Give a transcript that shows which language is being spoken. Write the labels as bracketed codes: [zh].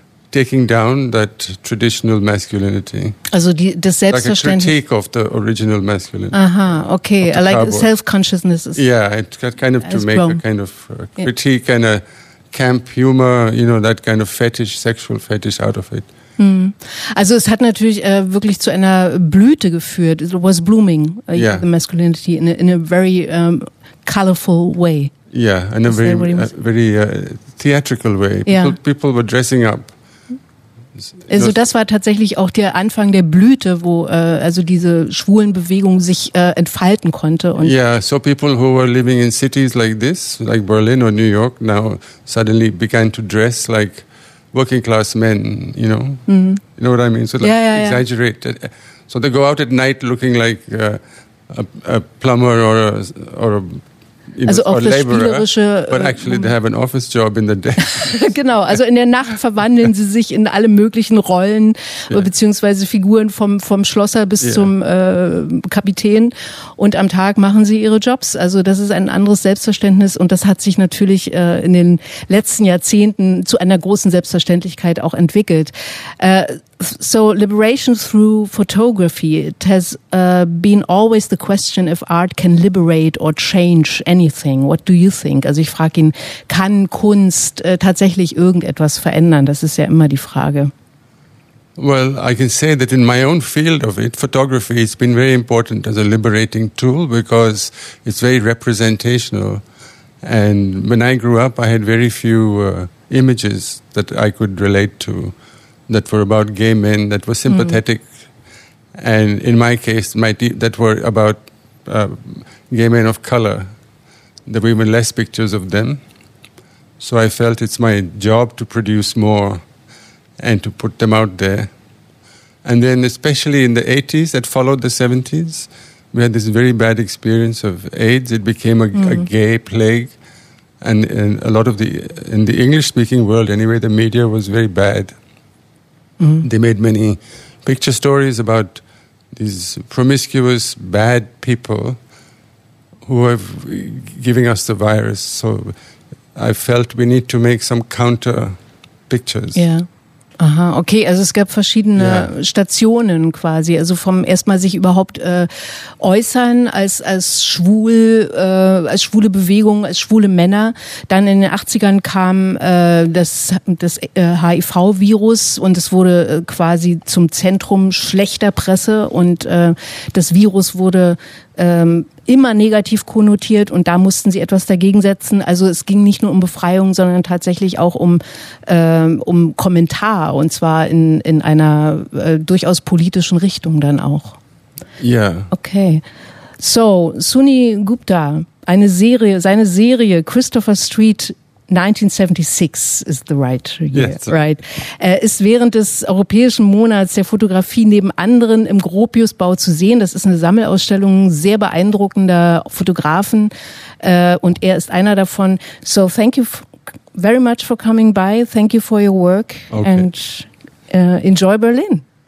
[en] taking down that traditional masculinity. [de] Also das Selbstverständnis. [en] Like a critique of the original masculinity. Aha, okay. Like cowboy. Self-consciousness. Is, yeah, it got kind of to make grown. A kind of a critique and a camp humor, you know, that kind of fetish, sexual fetish out of it. [de] Also es hat natürlich wirklich zu einer Blüte geführt. [en] It was blooming, yeah. The masculinity, in a very colorful way. Yeah, in a very theatrical way. Yeah. People were dressing up. [de] Also das war tatsächlich auch der Anfang der Blüte, wo also diese schwulen Bewegung sich entfalten konnte. Und [en] yeah, so people who were living in cities like this, like Berlin or New York, now suddenly began to dress like working class men, you know? Mm-hmm. You know what I mean? So like exaggerate. Yeah. So they go out at night looking like a plumber or a [de] also auch das spielerische, [en] but actually they have an office job in the day. [de] Genau, also in der Nacht verwandeln sie sich in alle möglichen Rollen beziehungsweise Figuren vom Schlosser bis zum Kapitän und am Tag machen sie ihre Jobs. Also das ist ein anderes Selbstverständnis und das hat sich natürlich in den letzten Jahrzehnten zu einer großen Selbstverständlichkeit auch entwickelt. [en] So liberation through photography, it has been always the question if art can liberate or change anything. What do you think? [de] Also ich frage ihn, kann Kunst tatsächlich irgendetwas verändern? Das ist ja immer die Frage. [en] Well, I can say that in my own field of it, photography has been very important as a liberating tool because it's very representational. And when I grew up, I had very few images that I could relate to. That were about gay men, that were sympathetic, and in my case, that were about gay men of color. There were even less pictures of them. So I felt it's my job to produce more and to put them out there. And then especially in the 80s that followed the 70s, we had this very bad experience of AIDS. It became a gay plague. And a lot of in the English-speaking world anyway, the media was very bad. Mm-hmm. They made many picture stories about these promiscuous, bad people who are giving us the virus. So I felt we need to make some counter pictures. Yeah. [de] Aha, okay, also es gab verschiedene Stationen quasi, also vom erstmal sich überhaupt äußern als schwule Bewegung, als schwule Männer. Dann in den 80ern kam das HIV-Virus und es wurde quasi zum Zentrum schlechter Presse und das Virus wurde immer negativ konnotiert und da mussten sie etwas dagegen setzen. Also es ging nicht nur um Befreiung, sondern tatsächlich auch um Kommentar und zwar in einer durchaus politischen Richtung dann auch. Ja. [en] Okay. So, Suni Gupta, [de] seine Serie [en] Christopher Street 1976 is the right year, right? [de] Er ist während des Europäischen Monats der Fotografie neben anderen im Gropiusbau zu sehen. Das ist eine Sammelausstellung sehr beeindruckender Fotografen und er ist einer davon. [en] So thank you very much for coming by. Thank you for your work and enjoy Berlin.